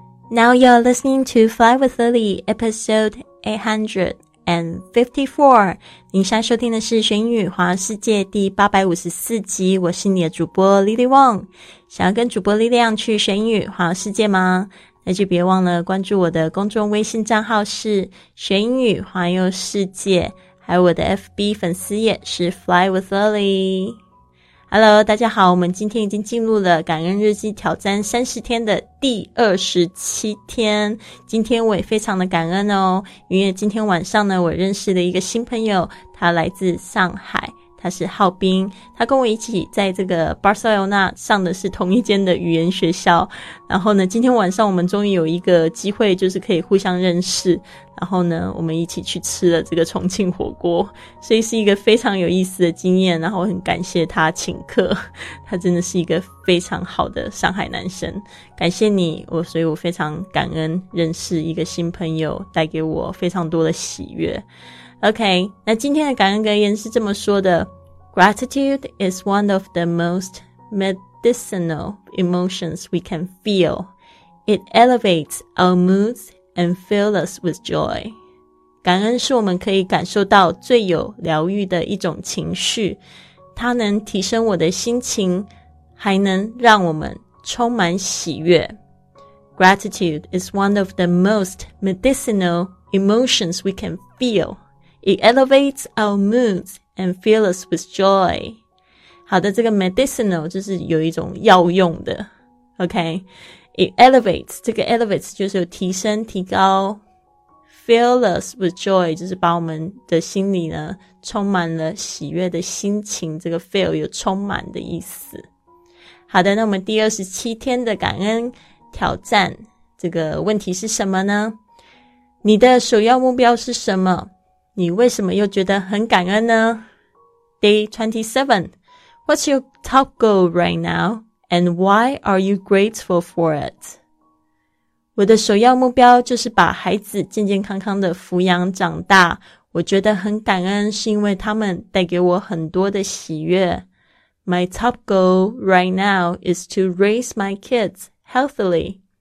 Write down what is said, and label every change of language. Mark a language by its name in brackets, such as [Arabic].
[English] Now you're listening to Fly with Lily, episode 854. [Chinese] 您现在收听的是玄语环游世界第854集，我是你的主播 Lily Wong。想要跟主播力量去玄语环游世界吗？那就别忘了关注我的公众微信账号是玄语环游世界，还有我的 FB 粉丝页是 Fly with Lily。 Hello, 大家好，我们今天已经进入了感恩日记挑战30天的第27天。今天我也非常的感恩哦，因为今天晚上呢，我认识了一个新朋友，他来自上海，他是浩斌，他跟我一起在这个 Barcelona 上的是同一间的语言学校。然后呢，今天晚上我们终于有一个机会，就是可以互相认识，然后呢，我们一起去吃了这个重庆火锅，所以是一个非常有意思的经验。然后很感谢他请客，他真的是一个非常好的上海男生，感谢你我，所以我非常感恩认识一个新朋友，带给我非常多的喜悦。 [English] OK, [Chinese] 那今天的感恩格言是这么说的， [English] Gratitude is one of the most medicinal emotions we can feel. It elevates our moods and fills us with joy. [Chinese] 感恩是我们可以感受到最有疗愈的一种情绪，它能提升我的心情，还能让我们充满喜悦。 [English] Gratitude is one of the most medicinal emotions we can feel. It elevates our moods and fills us with joy. [Chinese] 好的，这个 medicinal 就是有一种药用的。 OK, [English] it elevates, [Chinese] 这个 elevates 就是有提升提高。 [English] Fill us with joy, [Chinese] 就是把我们的心里呢充满了喜悦的心情，这个 fill 有充满的意思。好的，那我们第27天的感恩挑战，这个问题是什么呢？你的首要目标是什么？你为什么又觉得很感恩呢？ [English] Day 27, What's your top goal right now? And why are you grateful for it? [Chinese] 我的首要目标就是把孩子健健康康的抚养长大，我觉得很感恩是因为他们带给我很多的喜悦。 [English] My top goal right now is to raise my kids healthily.